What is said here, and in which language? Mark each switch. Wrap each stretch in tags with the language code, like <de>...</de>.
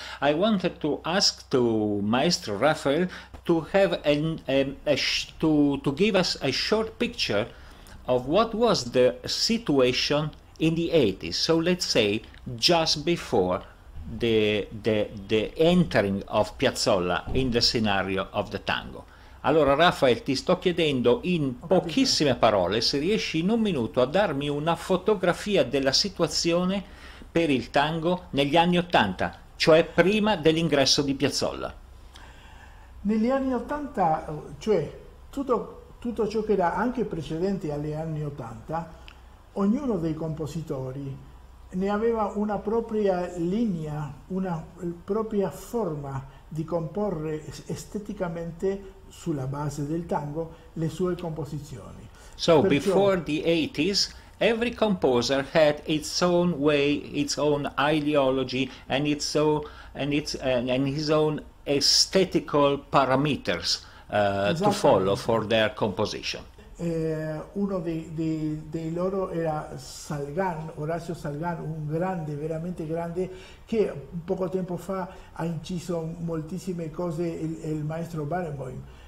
<en>I wanted to ask to Maestro Rafael to have to give us a short picture of what was the situation in the 80s, so let's say just before the entering of Piazzolla in the scenario of the tango.</en> <it>Allora, Rafael, ti sto chiedendo in pochissime parole se riesci in un minuto a darmi una fotografia della situazione per il tango negli anni 80, cioè prima dell'ingresso di Piazzolla. Negli anni 80, cioè tutto ciò che era anche precedente agli anni 80, ognuno dei compositori ne aveva una propria linea, una propria forma di comporre esteticamente sulla base del tango le sue composizioni.</it> <en>So, perciò, before the 80s, every composer had its own way, its own ideology, and its own, and its, and his own aesthetical parameters.</en> <it>Esatto.</it> <en>To follow for their composition.</en> <it>Uno dei loro era Salgan, Orazio Salgan, un grande, veramente grande, che poco tempo fa ha inciso moltissime cose il maestro Barenboim.</it>